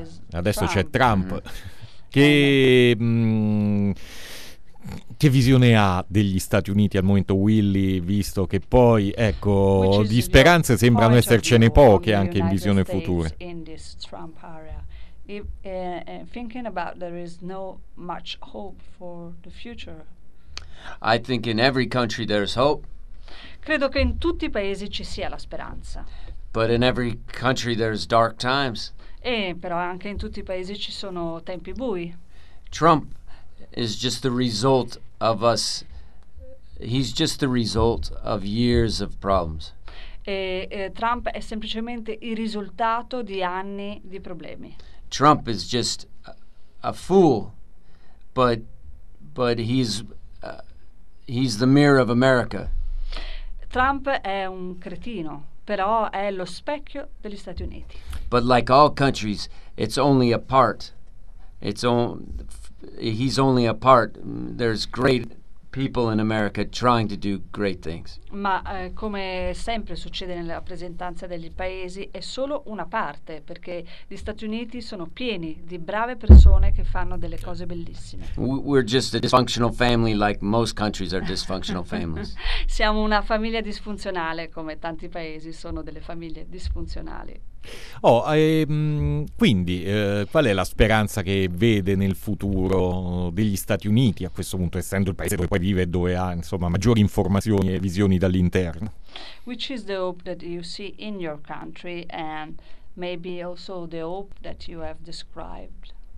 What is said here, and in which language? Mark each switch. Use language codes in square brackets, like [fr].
[it] Adesso c'è Trump. Che visione ha degli Stati Uniti al momento, Willy, visto che poi, ecco, di speranze sembrano essercene poche anche in visione futura. [en] Thinking about there is no much hope for the future. I think in every country there's hope. [it] Credo che in tutti i paesi ci sia la speranza. [en] But in every country there's dark times. [it] E però anche in tutti i paesi ci sono tempi bui. [en] Trump is just the result of us. He's just the result of years of problems. [it] Trump è semplicemente il risultato di anni di problemi. [en] Trump is just a fool, but he's the mirror of America. [it] Trump è un cretino, però è lo specchio degli Stati Uniti. [en] But like all countries, it's only a part. He's only a part. There's great people in America trying to do great things. [it] Ma come sempre succede nella rappresentanza degli paesi, è solo una parte, perché gli Stati Uniti sono pieni di brave persone che fanno delle cose bellissime. [en] We're just a dysfunctional family like most countries are dysfunctional families. [it] Siamo una famiglia disfunzionale come tanti paesi sono delle famiglie disfunzionali. Qual è la speranza che vede nel futuro degli Stati Uniti a questo punto, essendo il paese dove poi vive e dove ha insomma maggiori informazioni e visioni dall'interno? [en] Which is the hope that you see in your country and maybe also the hope that you have described?